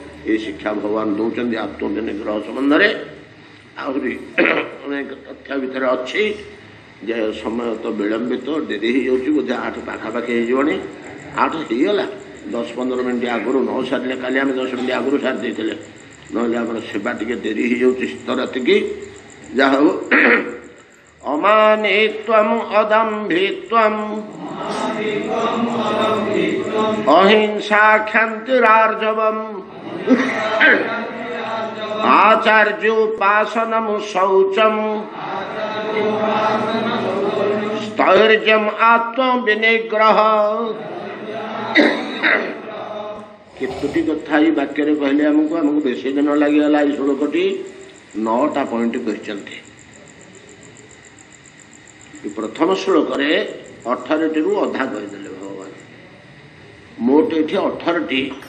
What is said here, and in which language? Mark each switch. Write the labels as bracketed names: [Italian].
[Odia] ଏଇ ଶିକ୍ଷା ଭଗବାନ ଦେଉଛନ୍ତି ଆତ୍ମନିଗ୍ରହ ସମ୍ବନ୍ଧରେ, ଆହୁରି ଅନେକ ତଥ୍ୟ ଭିତରେ ଅଛି ଯେ ସମୟ ତ ବିଳମ୍ବିତ, ଡେରି ହେଇଯାଉଛି, ବୋଧେ 8 ପାଖାପାଖି ହେଇଯିବନି, 8 ହେଇଗଲା, 10-15 ମିନିଟ୍ ଆଗରୁ ନ ସାରିଲେ, କାଲି ଆମେ 10 ମିନିଟ୍ ଆଗରୁ ସାରିଦେଇଥିଲେ, ନହେଲେ ଆମର ସେବା ଟିକେ ଡେରି ହେଇଯାଉଛି ଶୀତ ରାତିକି, ଯାହା ହଉ। [Sanskrit] ଅମାନିତ୍ୱମ୍ ଅଦମ୍ଭିତ୍ୱମ୍ ଅହିଂସା କ୍ଷାନ୍ତିରାର୍ଜବମ୍ आचार्य उपासनम शौचम स्थैर्यम आत्मविनिग्रह [Odia] କେତୋଟି କଥା ଏଇ ବାକ୍ୟରେ କହିଲେ ଆମକୁ ଆମକୁ ବେଶୀ ଦିନ ଲାଗିଗଲା ଏଇ ଶ୍ଳୋକଟି ନଅଟା ପଏଣ୍ଟ କରିଛନ୍ତି ପ୍ରଥମ ଶ୍ଳୋକରେ ଅଠରଟିରୁ ଅଧା କହିଦେଲେ ଭଗବାନ ମୋଟ ଏଠି ଅଠରଟି